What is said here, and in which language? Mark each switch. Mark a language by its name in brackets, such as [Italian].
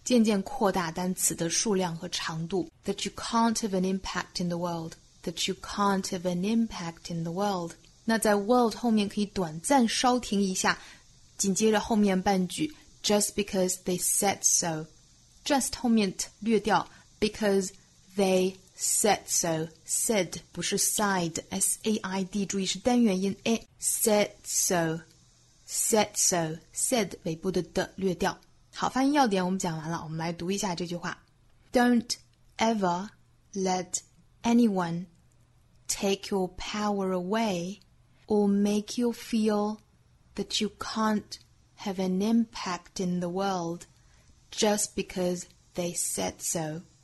[Chinese] 渐渐扩大单词的数量和长度。 [English] That you can't have an impact in the world. That you can't have an impact in the world. [Chinese] 那在 world 后面可以短暂稍停一下，紧接着后面半句 [English] Just because they said so. Just [Chinese] 后面 t 略掉 [English] Because they said so. [Chinese] Said 不是 side, S-A-I-D, 注意是单元音 A. [English] Said so. Said so, said [Chinese] 尾部的的略掉。好，发音要点我们讲完了，我们来读一下这句话。 [English] Don't ever let anyone take your power away or make you feel that you can't have an impact in the world just because they said so.